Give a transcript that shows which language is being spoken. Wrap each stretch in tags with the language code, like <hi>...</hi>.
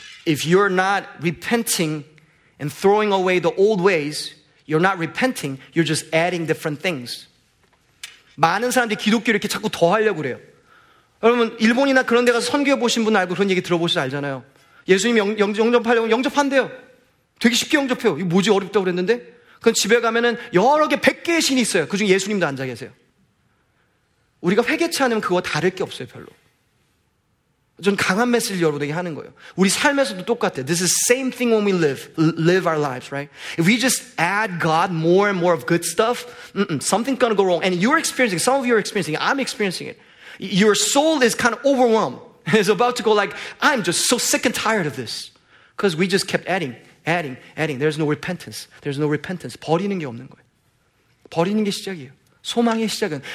<en>If you're not repenting and throwing away the old ways, you're not repenting, you're just adding different things.</en> <ko>많은 사람들이 기독교를 이렇게 자꾸 더하려고 그래요. 여러분, 일본이나 그런 데 가서 선교해 보신 분 알고 그런 얘기 들어보시죠? 알잖아요. 예수님 영접하려고 영접한대요. 되게 쉽게 영접해요. 이거 뭐지? 어렵다고 그랬는데? 그건 집에 가면은 여러 개, 100개의 신이 있어요. 그 중에 예수님도 앉아 계세요. 우리가 회개치 않으면 그거 다를 게 없어요, 별로. 전 강한 메시지를 여러분에게 하는 거예요. 우리 삶에서도 똑같아요.</ko> <en>This is the same thing when we live our lives, right? If we just add God more and more of good stuff, something's gonna go wrong. And you're experiencing, some of you are experiencing it, I'm experiencing it. Your soul is kind of overwhelmed. It's about to go like, I'm just so sick and tired of this. Because we just kept adding. There's no repentance.</en> <ko>버리는 게 없는 거예요. 버리는 게 시작이에요. 소망의 시작은.</ko>